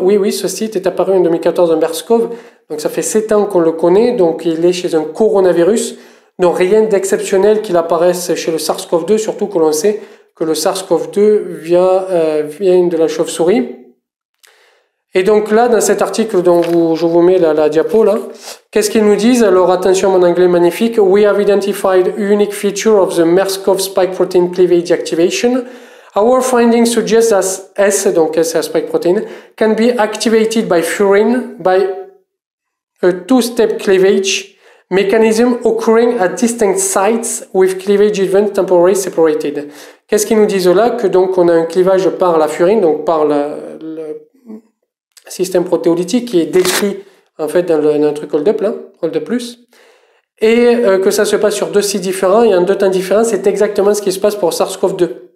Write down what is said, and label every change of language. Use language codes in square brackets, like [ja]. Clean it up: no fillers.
[fr] Oui, oui, ce site est apparu en 2014 dans le MERS-CoV. Donc ça fait 7 ans qu'on le connaît, donc il est chez un coronavirus, donc rien d'exceptionnel qu'il apparaisse chez le SARS-CoV-2, surtout que l'on sait que le SARS-CoV-2 vient de la chauve-souris. Et donc là, dans cet article dont je vous mets la diapo, là, qu'est-ce qu'ils nous disent? Alors attention, mon anglais magnifique. [en] « We have identified unique feature of the MERS-CoV spike protein cleavage activation. » Our findings suggest that S, [fr] donc S, c'est la spike protein, [en] can be activated by furin, by a two-step cleavage mechanism occurring at distinct sites with cleavage events temporarily separated. [fr] Qu'est-ce qu'ils nous disent là? Que donc on a un clivage par la furine, donc par le système protéolytique qui est décrit en fait dans un truc hold-up là, hold-up plus. Et que ça se passe sur deux sites différents et en deux temps différents, c'est exactement ce qui se passe pour SARS-CoV-2.